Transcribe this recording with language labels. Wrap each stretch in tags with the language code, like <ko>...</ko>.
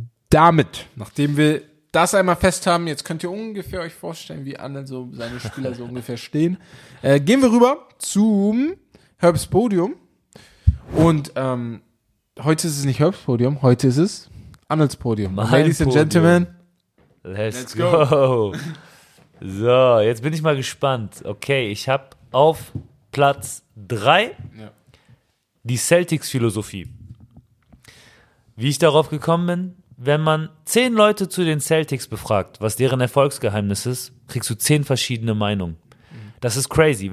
<de>Damit, nachdem wir das einmal fest haben, jetzt könnt ihr ungefähr euch vorstellen, wie anderen so seine Spieler so ungefähr stehen, gehen wir rüber zum Herbs Podium. Und heute ist es nicht Herbs Podium, heute ist es Arnolds Podium.</de> <en>Ladies and Gentlemen, let's go.</en> <de>So, jetzt bin ich mal gespannt. Okay, ich habe auf Platz 3 die Celtics-Philosophie. Wie ich darauf gekommen bin, wenn man 10 Leute zu den Celtics befragt, was deren Erfolgsgeheimnis ist, kriegst du 10 verschiedene Meinungen. Das ist crazy.</de>